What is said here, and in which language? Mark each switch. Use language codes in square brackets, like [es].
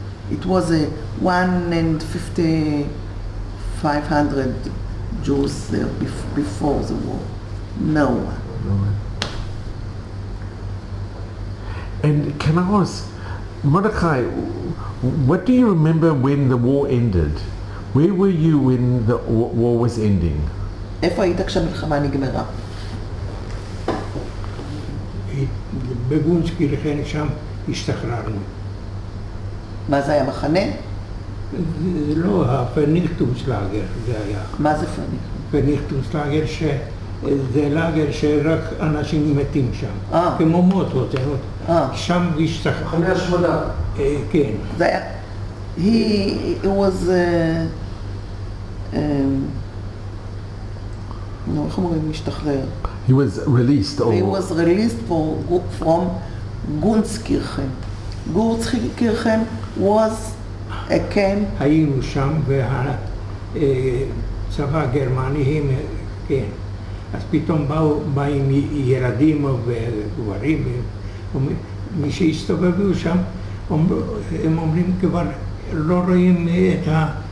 [en] It was a 1,500 Jews there before the war. No one. And can I ask, Mordechai, what do you remember when the war ended? Where were you when the war was ending? [he] איפה היית כשהמלחמה נגמרה? בגונסקי, לכן שם השתחררנו. מה זה היה, מחנה? זה לא, הפניכטונסלאגר זה היה. מה זה פניכטונס? פניכטונסלאגר, זה לאגר שרק אנשים מתים שם. כמו מוטות, שם השתחררנו. חנה השמדה. כן. זה היה... [en] He was released. Or... He was released from Gunskirchen. Gunskirchen was a camp. [he] היינו שם והצבא הגרמני, כן. אז פתאום באים ילדים וגברים, מי שהסתובבו שם, הם אומרים כבר לא רואים את ה...